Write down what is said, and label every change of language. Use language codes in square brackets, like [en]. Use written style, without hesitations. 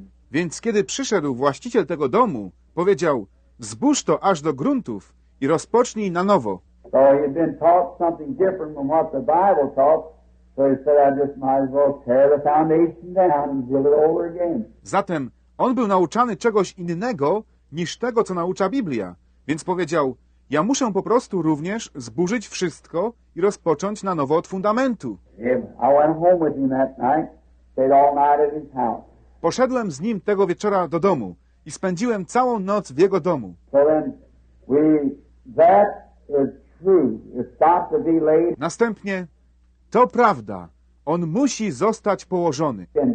[pl] Więc kiedy przyszedł właściciel tego domu, powiedział, zburz to aż do gruntów i rozpocznij na nowo. [en] So he had been taught something different from what the Bible taught. So he said, I just might as well tear the foundation down and build it over again. [pl] Zatem on był nauczany czegoś innego niż tego, co naucza Biblia. Więc powiedział, ja muszę po prostu również zburzyć wszystko i rozpocząć na nowo od fundamentu. [en] I went home with him that night, stayed all night at his house. [pl] Poszedłem z nim tego wieczora do domu i spędziłem całą noc w jego domu. [en] So then we, that is true. It's got to be laid. [pl] Następnie to prawda. On musi zostać położony.